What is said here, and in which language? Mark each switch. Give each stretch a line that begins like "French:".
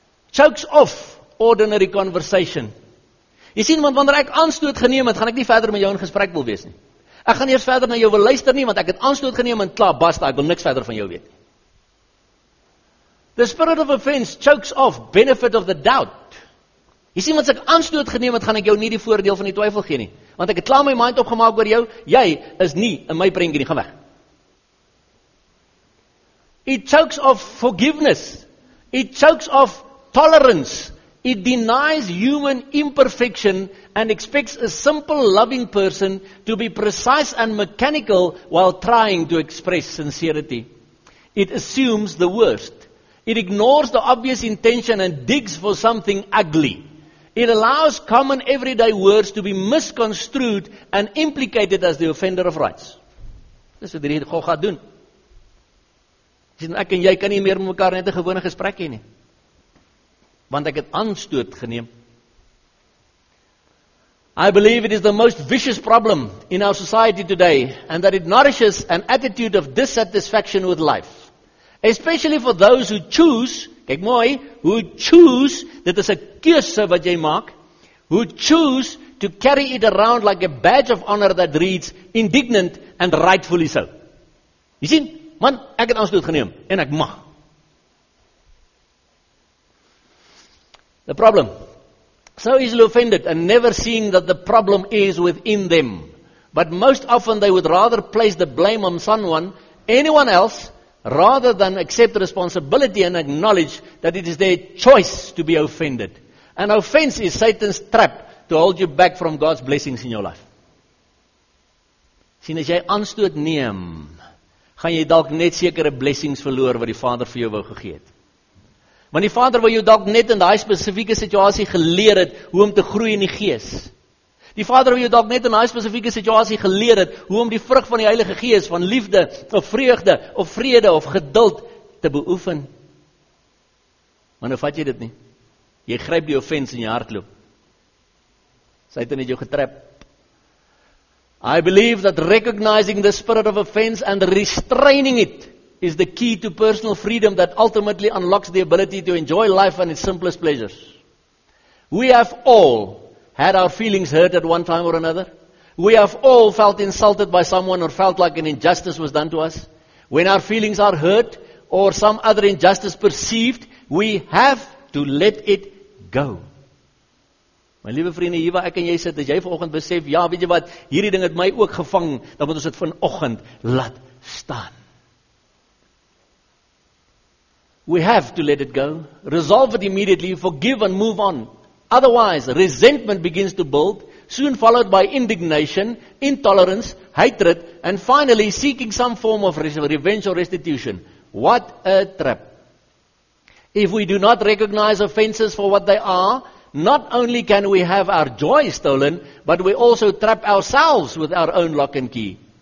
English: Chokes off ordinary conversation.
Afrikaans: Jy sien, want wanneer ek aanstoot geneem het, gaan ek nie verder met jou in gesprek wil wees nie. Ek gaan eers verder na jou wil luister nie, want ek het aanstoot geneem en klaar basta, ek wil niks verder van jou weet nie.
English: The spirit of offense chokes off benefit of the doubt.
Afrikaans: Jy sien, want as ek aanstoot geneem het, gaan ek jou nie die voordeel van die twyfel gee nie. Want ek het klaar my mind opgemaak oor jou, jy is nie in my prentjie nie, gaan weg.
English: It chokes off forgiveness, it chokes off tolerance, it denies human imperfection and expects a simple loving person to be precise and mechanical while trying to express sincerity. It assumes the worst, it ignores the obvious intention and digs for something ugly. It allows common everyday words to be misconstrued and implicated as the offender of rights.
Afrikaans: Dis wat hierdie gog gaan doen. Sien, ek en jy kan nie meer met mekaar net 'n gewone gesprek hê nie. Want ek het aanstoot geneem.
English: I believe it is the most vicious problem in our society today and that it nourishes an attitude of dissatisfaction with life. Especially for those who choose,
Afrikaans: kyk mooi,
English: who choose,
Afrikaans: dit is 'n keuse wat jy maak,
English: who choose to carry it around like a badge of honor that reads indignant and rightfully so.
Afrikaans: Jy sien, man, ek het aanstoot geneem, en ek mag.
English: The problem, so easily offended and never seeing that the problem is within them, but most often they would rather place the blame on someone, anyone else, rather than accept responsibility and acknowledge that it is their choice to be offended. An offense is Satan's trap to hold you back from God's blessings in your life.
Afrikaans: Sien, as jy aanstoot neem, gaan jy dalk net sekere blessings verloor wat die Vader vir jou wou gegee het. Want die Vader wil jou dalk net in die spesifieke situasie geleer het hoe om te groei in die gees. Die Vader wil jou dalk net in die spesifieke situasie geleer het hoe om die vrug van die Heilige Gees, van liefde, of vreugde, of vrede, of geduld te beoefen. Maar nou vat jy dit nie. Jy gryp die offense in jou hartloop. Satan het jou getrap.
English: I believe that recognizing the spirit of offense and restraining it is the key to personal freedom that ultimately unlocks the ability to enjoy life and its simplest pleasures. We have all had our feelings hurt at one time or another. We have all felt insulted by someone or felt like an injustice was done to us. When our feelings are hurt or some other injustice perceived, we have to let it go.
Afrikaans: My liewe vriende, hier waar ek en jy sit, as jy vanoggend besef, ja, weet jy wat, hierdie ding het my ook gevang, dan moet ons dit vanoggend laat staan.
English: We have to let it go. Resolve it immediately, forgive and move on. Otherwise, resentment begins to build, soon followed by indignation, intolerance, hatred, and finally seeking some form of revenge or restitution. What a trap. If we do not recognize offenses for what they are, not only can we have our joy stolen, but we also trap ourselves with our own lock and key.